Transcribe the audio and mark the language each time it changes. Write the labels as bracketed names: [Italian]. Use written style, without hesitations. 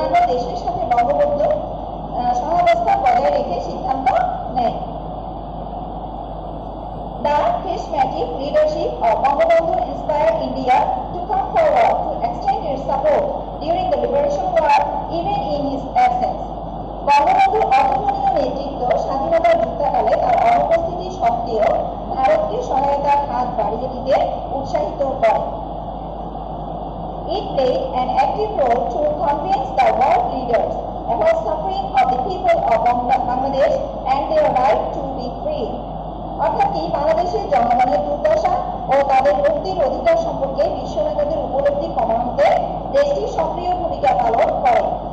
[Bangla] দেশের সাথে বঙ্গবন্ধু সহাবস্থা বজায় রেখে সিদ্ধান্ত নেয়। [English] charismatic leadership of Bangabandhu inspired India to come forward to extend its support during the liberation war, even in his absence. [Bangla] Bangabandhu অতুলনীয় নেতৃত্ব স্বাধীনতা যুদ্ধকালে তার অনুপস্থিতি সত্ত্বেও ভারতকে সহায়তার হাত বাড়িয়ে দিতে উৎসাহিত করে। [English] It played an active role to convince the world leaders about suffering of the people of Bangladesh and their right to be free. [Bangla] অর্থাৎ কি বাংলাদেশের জনগণের দুর্দশা ও তাদের মুক্তির অধিকার সম্পর্কে বিশ্ব নেতাদের উপলব্ধি কমানোতে দেশটি সক্রিয় ভূমিকা পালন করে।